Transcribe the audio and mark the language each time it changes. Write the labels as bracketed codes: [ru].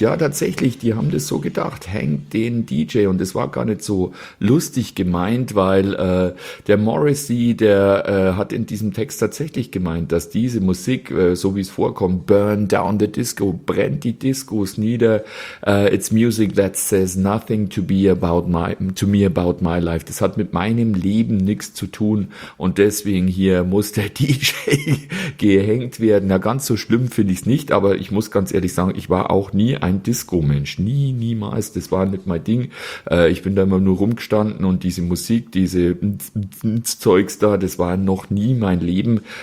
[de] Ja, tatsächlich, die haben das so gedacht, Hang den DJ. Und es war gar nicht so lustig gemeint, weil der Morrissey, der hat in diesem Text tatsächlich gemeint, dass diese Musik, so wie es vorkommt, [en] burn down the disco, [de] brennt die Discos nieder. [en] It's music that says nothing to me about my life. [de] Das hat mit meinem Leben nichts zu tun. Und deswegen hier muss der DJ gehängt werden. Ganz so schlimm finde ich es nicht, aber ich muss ganz ehrlich sagen, ich war auch nie ein Disco-Mensch. Nie, niemals. Das war nicht mein Ding. Ich bin da immer nur rumgestanden und diese Musik, diese Zeugs da, das war noch nie mein Leben.